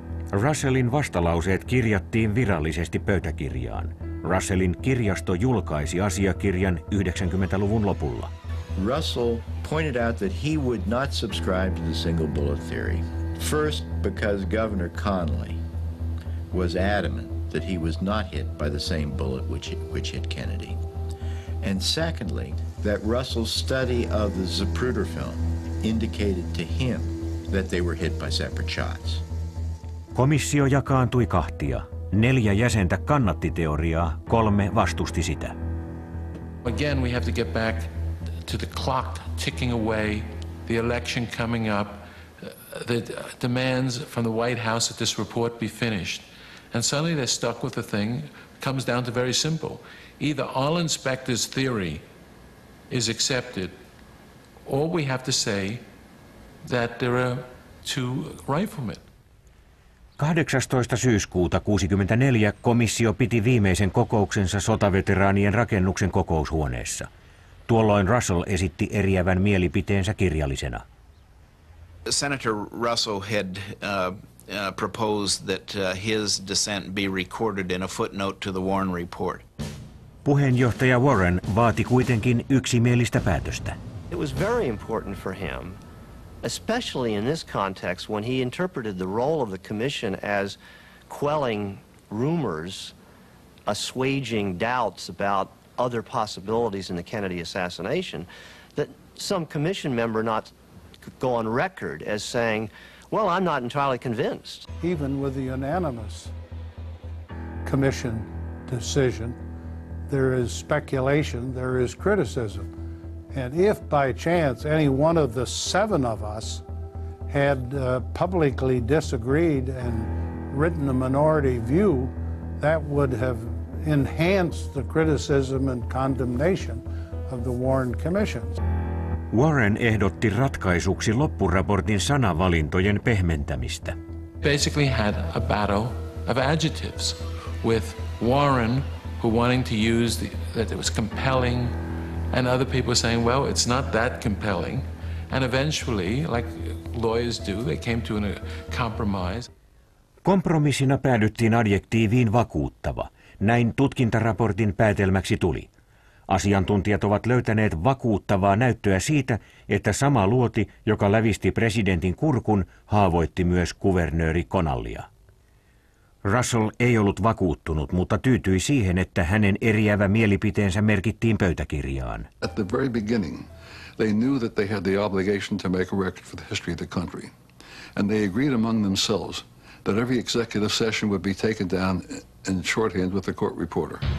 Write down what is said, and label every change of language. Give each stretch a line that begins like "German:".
Finnish: Russellin vastalauseet kirjattiin virallisesti pöytäkirjaan. Russellin kirjasto julkaisi asiakirjan 90-luvun lopulla.
English: Russell pointed out that he would not subscribe to the single bullet theory. First, because Governor Connally was adamant that he was not hit by the same bullet which hit Kennedy. And secondly, that Russell's study of the Zapruder film indicated to him that they were hit by separate shots.
Finnish: Komissio jakaantui kahtia. 4 jäsentä kannatti teoriaa, 3 vastusti sitä.
English: Again, we have to get back to the clock ticking away, the election coming up, that demands from the White House that this report be finished. And suddenly they're stuck with the thing. It comes down to very simple. Either all inspectors' theory is accepted, or we have to say that there are 2 riflemen.
Finnish: 18. syyskuuta 1964 komissio piti viimeisen kokouksensa sotaveteraanien rakennuksen kokoushuoneessa. Tuolloin Russell esitti eriävän mielipiteensä kirjallisena.
English: Senator Russell had proposed that his dissent be recorded in a footnote to the Warren report.
Finnish: Puheenjohtaja Warren vaati kuitenkin yksimielistä päätöstä.
English: It was very important for him, especially in this context when he interpreted the role of the commission as quelling rumors, assuaging doubts about other possibilities in the Kennedy assassination, that some commission member not go on record as saying, well, I'm not entirely convinced. Even with the unanimous commission decision, there is speculation, there is criticism. And if by chance any one of the 7 of us had publicly disagreed and written a minority view, that would have enhanced the criticism and condemnation of the Warren Commission.
Finnish: Warren ehdotti ratkaisuksi loppuraportin sanavalintojen pehmentämistä.
English: Basically had a battle of adjectives with Warren, who wanting to use the, that it was compelling, and other people saying, well, it's not that compelling. And eventually, like lawyers do, they came to a compromise.
Finnish: Kompromissina päädyttiin adjektiiviin vakuuttava. Näin tutkintaraportin päätelmäksi tuli. Asiantuntijat ovat löytäneet vakuuttavaa näyttöä siitä, että sama luoti, joka lävisti presidentin kurkun, haavoitti myös kuvernööri Connallia. Russell ei ollut vakuuttunut, mutta tyytyi siihen, että hänen eriävä mielipiteensä merkittiin pöytäkirjaan.
English: At the very beginning, they knew that they had the obligation to make a record for the history of the country. And they agreed among themselves that every executive session would be taken down in shorthand with the court reporter.